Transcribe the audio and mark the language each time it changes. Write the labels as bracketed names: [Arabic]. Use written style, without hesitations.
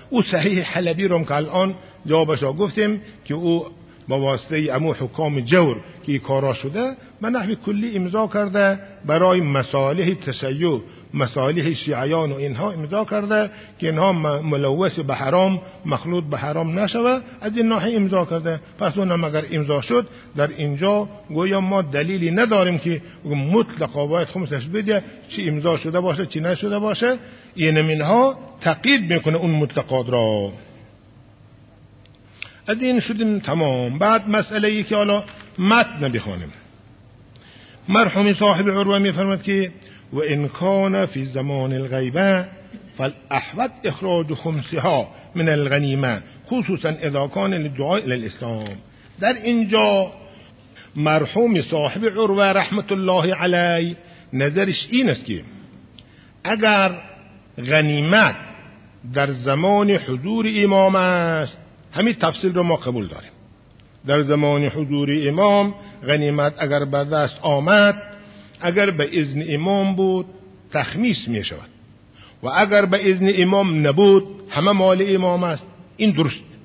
[Persian] او صحیح حلبی رو که الان جوابش را گفتیم که او با واسطه امو حکام جور که ای کارا شده، به نحو کلی امضا کرده برای مصالح تشیع، مصالح شیعیان و اینها امضا کرده که اینها ملوث به حرام، مخلوط به حرام نشوه، از این ناحیه امضا کرده. پس اونم اگر امضا شد، در اینجا گویا ما دلیلی نداریم که مطلقا باید خمسش بده، چی امضا شده باشه چی نشده باشه. اینم اینها تأکید میکنه اون مطلقات را. از این شدیم تمام. بعد مسئله ای که حالا متن بخونیم، مرحوم صاحب عروه میفرمد که [Arabic] وإن كان في زمان الغيبة فالأحوط إخراج خمسها من الغنيمة خصوصا إذا كان للدعاء إلى الإسلام. [Persian] در اینجا مرحوم صاحب عروه رحمت الله علی نظرش این است که اگر غنیمت در زمان حضور امام است، همین تفصیل رو ما قبول داریم، در زمان حضور امام غنیمت اگر به دست آمد، اگر به اذن امام بود تخمیس می شود، و اگر به اذن امام نبود همه مال امام است. این درست.